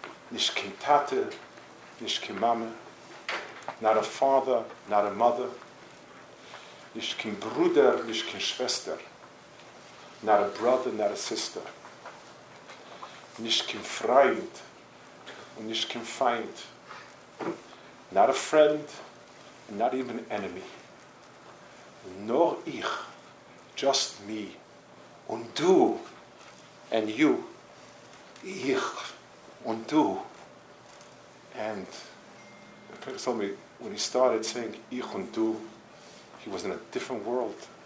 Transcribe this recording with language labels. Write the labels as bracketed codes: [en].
[yi] Nish kein Tate, nish kein Mame. [en] Not a father, not a mother. [yi] Nish kein Bruder, nish kein Schwester. [en] Not a brother, not a sister. [yi] Nish kein Freund, nish kein Feind. [en] Not a friend, not even an enemy. [yi] Nor ich, [en] just me. [yi] Und du, [en] and you. [yi] Ich, und du." [en] And the prince told me, when he started saying [yi] ich und du, [en] he was in a different world.